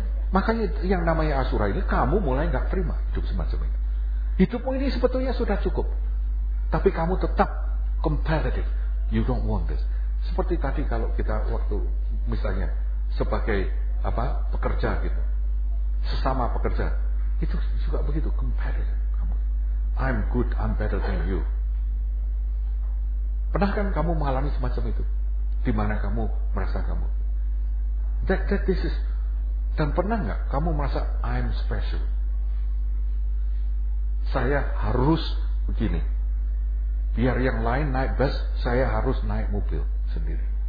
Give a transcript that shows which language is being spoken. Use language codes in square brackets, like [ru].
[id] Makanya yang namanya asura ini, kamu mulai enggak terima hidup semacam itu. Hidupmu ini sebetulnya sudah cukup. Tapi kamu tetap competitive. [en] You don't want this. [id] Seperti tadi kalau kita waktu misalnya sebagai apa pekerja gitu. Sesama pekerja. Itu juga begitu, competitive. [en] I'm good, I'm better than you. [id] Pernah kan kamu mengalami semacam itu? Di mana kamu merasa kamu? [en] That this is. [id] Dan pernah enggak kamu merasa [en] I'm special? [id] Saya harus begini. Biar yang lain naik bus, saya harus naik mobil sendiri.